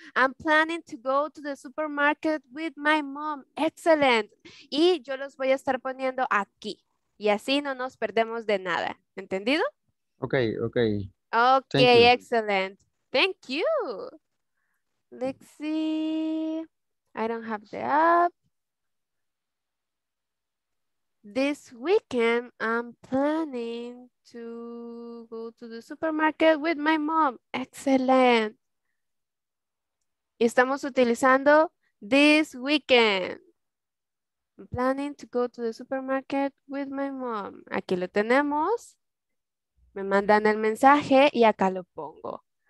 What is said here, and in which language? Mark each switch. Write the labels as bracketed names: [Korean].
[English] I'm planning to go to the supermarket with my mom. Excellent. [Spanish] Y yo los voy a estar poniendo aquí. Y así no nos perdemos de nada. ¿Entendido? Ok, ok. [English] Ok, thank you. Excellent. Thank you. Lexi, I don't have the app. This weekend, I'm planning to go to the supermarket with my mom. Excellent. [Spanish] Estamos utilizando [English] this weekend. I'm planning to go to the supermarket with my mom. [Spanish] Aquí lo tenemos. Me mandan el mensaje y acá lo pongo.